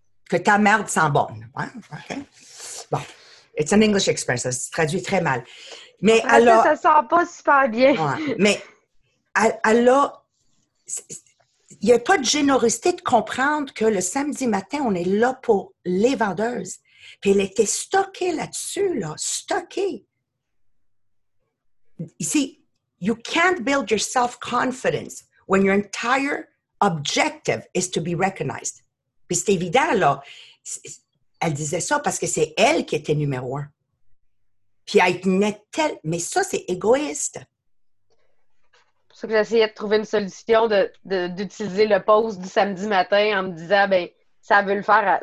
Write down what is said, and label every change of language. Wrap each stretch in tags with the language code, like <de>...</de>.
<fr>Que ta merde sent bonne. Hein? Okay. Bon,</fr> <en>it's an English expression,</en> <fr>ça se traduit très mal. Mais en alors. Fait, ça ne sent pas super bien. Ouais. Mais alors, il n'y a pas de générosité de comprendre que le samedi matin, on est là pour les vendeuses. Puis elle était stockée là-dessus, là, stockée.</fr> <en>Ici, you can't build your self-confidence when your entire objective is to be recognized.</en> <fr>Puis c'est évident, là, elle disait ça parce que c'est elle qui était numéro un. Puis elle tenait telle... Mais ça, c'est égoïste. C'est pour ça que j'essayais de trouver une solution d'utiliser le pause du samedi matin en me disant, ben, ça veut le faire.</fr>